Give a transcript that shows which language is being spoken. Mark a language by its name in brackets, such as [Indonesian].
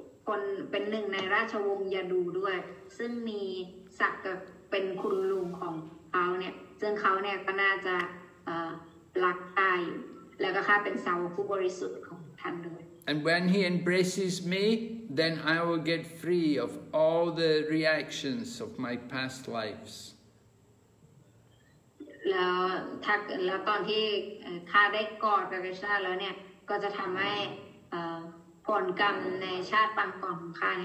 [Thai] คนเป็นหนึ่งในราชวงศ์ยาดูด้วยซึ่งมีศักดิ์เป็นคุณลุงของเขาเนี่ยซึ่งเขาเนี่ยก็น่าจะรักใคร่แล้วก็ข้าเป็นสาวกผู้บริสุทธิ์ของท่านด้วย [English] And when he embraces me, then I will get free of all the reactions of my past lives. [Thai] แล้วตอนที่ข้าได้กอดพระคริสต์แล้วเนี่ยก็จะทำให้ผลกรรมในชาติปางก่อนของข้าเน